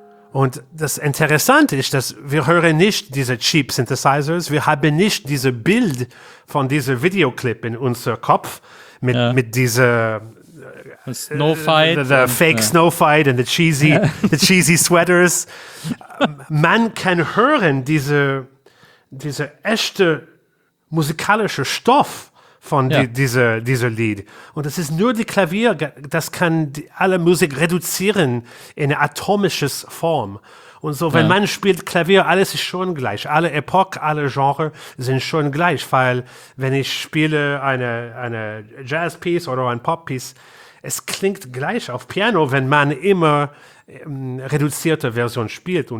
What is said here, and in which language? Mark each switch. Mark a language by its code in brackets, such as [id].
[de] Und das Interessante ist, dass wir hören nicht diese [en] Cheap Synthesizers, [de] wir haben nicht dieses Bild von diesem Videoclip in unserem Kopf mit dieser [en] Snowfight, Snowfight and the cheesy sweaters. [de] Man kann hören diese echte musikalische Stoff von dieser Lied. Und es ist nur die Klavier, das kann alle Musik reduzieren in atomisches Form. Und so, wenn man spielt Klavier, alles ist schon gleich. Alle Epoch, alle Genre sind schon gleich, weil wenn ich spiele eine Jazz-Piece oder ein Pop-Piece, es klingt gleich auf Piano, wenn man immer reduzierte Version spielt.